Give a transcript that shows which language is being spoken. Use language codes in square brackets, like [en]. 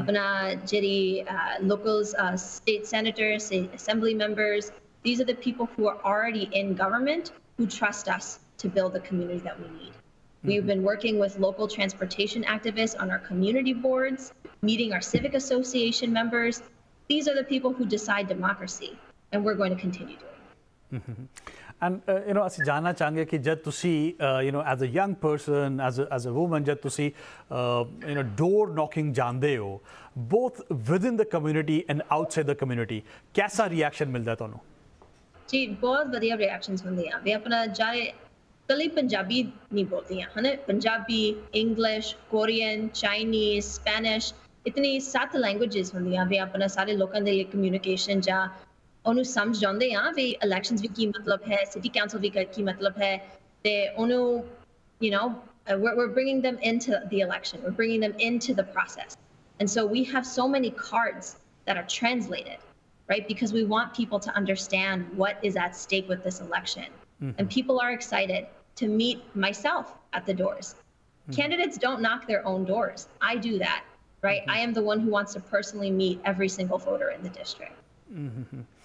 [en] Apna jiri locals, state senators, assembly members, these are the people who are already in government who trust us to build the community that we need. We've been working with local transportation activists on our community boards, meeting our civic association members. These are the people who decide democracy, and we're going to continue doing it. And, you know, [pa] ਅਸੀਂ ਜਾਣਨਾ ਚਾਹਾਂਗੇ ਕਿ ਜਦ ਤੁਸੀਂ [en] you know as a young person as a woman [pa] ਜਦ ਤੁਸੀਂ [en] you know door knocking [pa] ਜਾਂਦੇ ਹੋ [en] both with in the community and outside the community [pa] ਕੈਸਾ [en] reaction [pa] ਮਿਲਦਾ ਤੁਹਾਨੂੰ ਜੀ ਬਹੁਤ ਵਧੀਆ ਰਿਐਕਸ਼ਨਸ ਹੁੰਦੀਆਂ ਵੀ ਆਪਣਾ ਜਾਰੇ ਕੱਲੀ ਪੰਜਾਬੀ ਨਹੀਂ ਬੋਲਦੀਆਂ ਹਨ Punjabi English Korean Chinese Spanish ਇਤਨੀ 7 ਲੈਂਗੁਏਜਿਸ ਹੁੰਦੀਆਂ ਵੀ ਆਪਣਾ ਸਾਰੇ ਲੋਕਾਂ ਦੇ ਲਈ ਕਮਿਊਨੀਕੇਸ਼ਨ ਜਾਂ ਉਹਨੂੰ ਸਮਝ ਆਉਂਦੇ ਆ ਵੀ ਇਲੈਕਸ਼ਨਸ ਵੀ ਕੀ ਮਤਲਬ ਹੈ ਸਿਟੀ ਕਾਉਂਸਲ ਵੀ ਕੀ ਮਤਲਬ ਹੈ ਤੇ ਉਹਨੂੰ you know [en] We are bringing them in to the election we are bringing them in to the process and so we have so many cards that are translated right? Because we want people to understand what is at stake with this election. Mm-hmm. And people are excited to meet myself at the doors. Mm-hmm. Candidates don't knock their own doors. I do that, right? Mm-hmm. I am the one who wants to personally meet every single voter in the district. Mm-hmm.